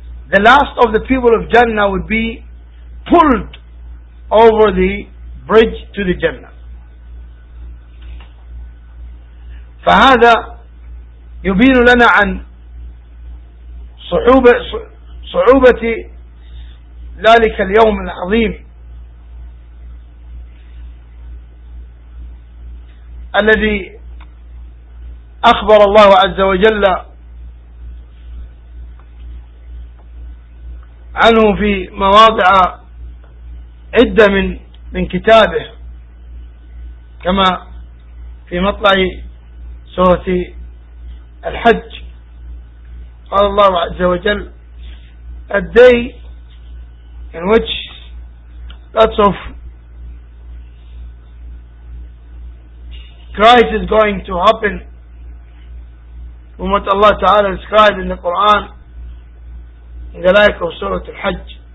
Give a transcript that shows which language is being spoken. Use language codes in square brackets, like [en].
[en] The last of the people of Jannah would be pulled over the bridge to the Jannah. [ar] فهذا يبين لنا عن صعوبة ذلك اليوم العظيم الذي أخبر الله عز وجل عنه في مواضع عدة من كتابه كما في مطلع سورة الحج. قال الله عز وجل: [en] A day in which lots of Christ is going to happen, from what Allah Ta'ala described in the Quran, in the like of Surah Al-Hajj,